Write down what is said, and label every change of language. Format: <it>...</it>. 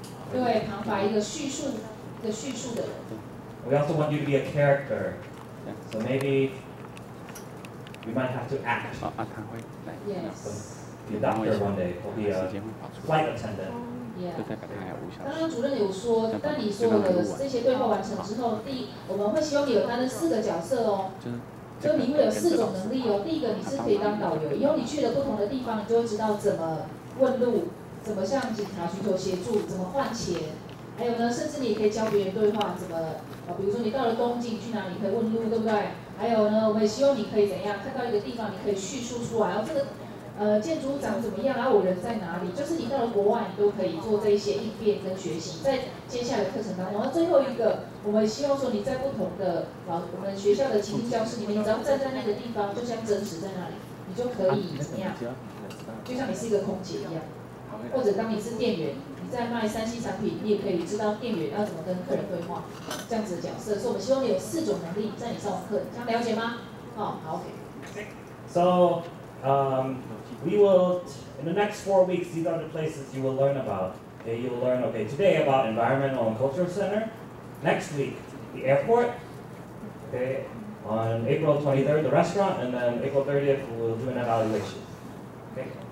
<zh>对，旁白一个叙述的叙述的人。</zh> <en>We also want you to be a character, so maybe you might have to act.</en> <zh>啊，啊，他会来。</zh> <en>Yes. The doctor one day will be a flight attendant.</en> <zh>刚刚主任有说，当你所有的这些对话完成之后，第我们会希望你有担任四个角色哦，就你会有四种能力哦。第一个你是可以当导游，以后你去了不同的地方，你就会知道怎么问路，怎么向警察寻求协助，怎么换钱，还有呢，甚至你也可以教别人对话，怎么比如说你到了东京去哪里可以问路，对不对？还有呢，我们也希望你可以怎样，看到一个地方你可以叙述出来，建筑长怎么样？然后我人在哪里？就是你到了国外，你都可以做这些应变跟学习，在接下来的课程当中。然后最后一个，我们希望说你在不同的我们学校的情境教室里面，你只要站在那个地方，就像真实在那里，你就可以怎么样？就像你是一个空姐一样，或者当你是店员，你在卖三 C 产品，你也可以知道店员要怎么跟客人对话，这样子的角色。所以我们希望你有四种能力在你上完课，这样了解吗？好，好 ，OK。</zh> <en>So. We will, in the next 4 weeks, these are the places you will learn about. Okay, you will learn, okay, today about Environmental and Cultural Center. Next week, the airport. Okay, on April 23rd, the restaurant, and then April 30th, we'll do an evaluation. Okay?</en>